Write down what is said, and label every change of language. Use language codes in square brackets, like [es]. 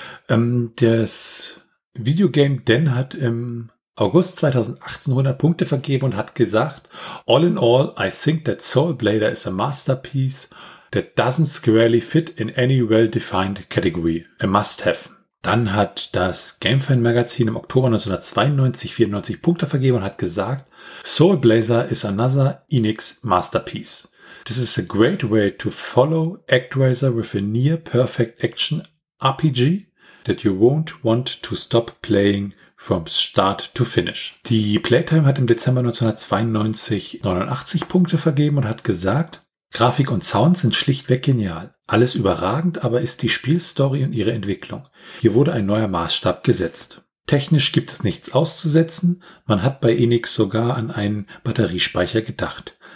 [de] Das Videogame Den hat im August 2018 100 Punkte vergeben und hat gesagt, [en] all in all, I think that Soul Blazer is a masterpiece that doesn't squarely fit in any well-defined category. A must-have. [de] Dann hat das Gamefan-Magazin im Oktober 1992 94 Punkte vergeben und hat gesagt, [en] Soul Blazer is another Enix masterpiece. This is a great way to follow ActRaiser with a near-perfect action RPG that you won't want to stop playing from start to finish. [de] Die Playtime hat im Dezember 1992 89 Punkte vergeben und hat gesagt, Grafik und Sound sind schlichtweg genial. Alles überragend aber ist die Spielstory und ihre Entwicklung. Hier wurde ein neuer Maßstab gesetzt. Technisch gibt es nichts auszusetzen. Man hat bei Enix sogar an einen Batteriespeicher gedacht.